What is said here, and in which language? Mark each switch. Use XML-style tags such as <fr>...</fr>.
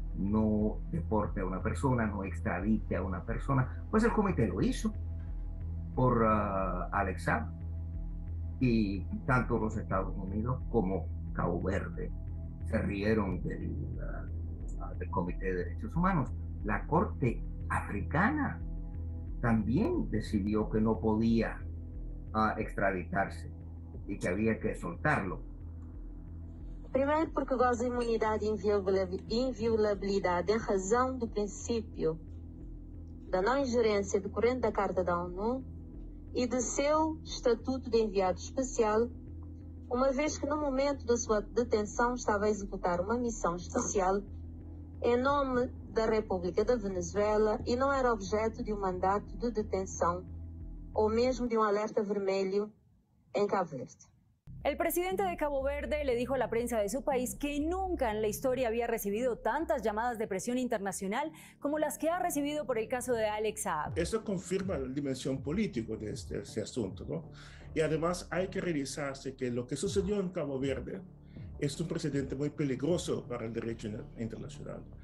<es>no deporte a una persona, no extradite a una persona, pues el comité lo hizo por Alex Saab, y tanto los Estados Unidos como Cabo Verde se rieron del Comité de Derechos Humanos. La Corte Africana también decidió que no podía extraditarse y que había que soltarlo.</es> <pt>Primeiro, porque goza imunidade e inviolabilidade em razão do princípio da não ingerência decorrente da Carta da ONU e do seu estatuto de enviado especial, uma vez que no momento da sua detenção estava a executar uma missão especial em nome da República da Venezuela e não era objeto de um mandato de detenção ou mesmo de um alerta vermelho em Cabo Verde.</pt> <es>El presidente de Cabo Verde le dijo a la prensa de su país que nunca en la historia había recibido tantas llamadas de presión internacional como las que ha recibido por el caso de Alex Saab. Eso confirma la dimensión política de este asunto, ¿no? Y además hay que revisarse que lo que sucedió en Cabo Verde es un precedente muy peligroso para el derecho internacional.</es>